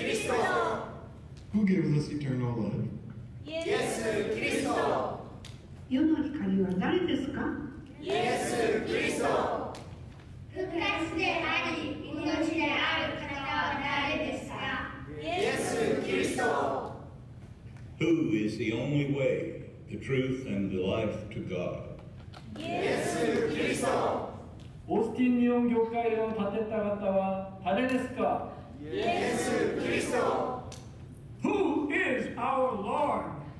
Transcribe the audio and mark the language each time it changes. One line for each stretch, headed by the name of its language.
English: eternal love. Yes, Christ.
Japanese: 世の光は誰ですか？イエス・キリスト。復活であり、命である方は誰ですか？イエス・キリスト。
English: Who is the only way, the truth and the life to God?
Japanese: イエス・キリスト。オースティン日本教会を建てた方は誰ですか？イエス・キリスト。
English: Who is our Lord?